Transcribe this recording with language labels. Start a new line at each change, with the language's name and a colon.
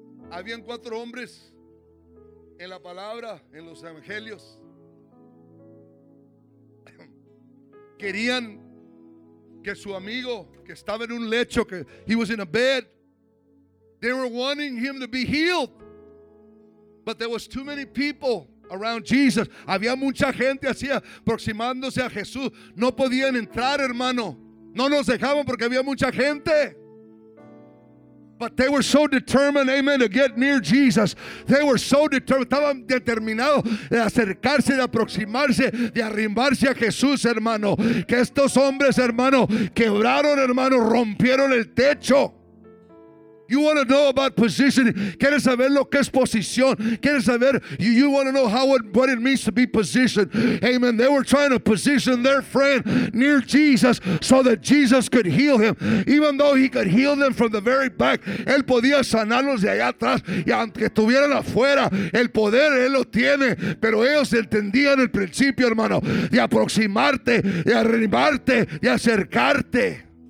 Spanish: Habían cuatro hombres en la palabra, en los evangelios. Querían que su amigo, que estaba en un lecho, que
English: he was in a bed. They were wanting him to be healed. But there was too many people around Jesus.
Spanish: Había mucha gente así aproximándose a Jesús. No podían entrar, hermano. No nos dejaban porque había mucha gente.
English: But they were so determined, amen, to get near Jesus. They were so determined.
Spanish: Estaban determinados de acercarse, de aproximarse, de arrimarse a Jesús, hermano. Que estos hombres, hermano, quebraron, hermano, rompieron el techo.
English: You want to know about positioning.
Spanish: Quieres saber lo que es posición. Quieres saber.
English: You want to know what it means to be positioned. Amen. They were trying to position their friend near Jesus so that Jesus could heal him. Even though he could heal them from the very back,
Spanish: él podía sanarlos de allá atrás. Y aunque estuvieran afuera, el poder él lo tiene. Pero ellos entendían el principio, hermano, de aproximarte, de arribarte, de acercarte.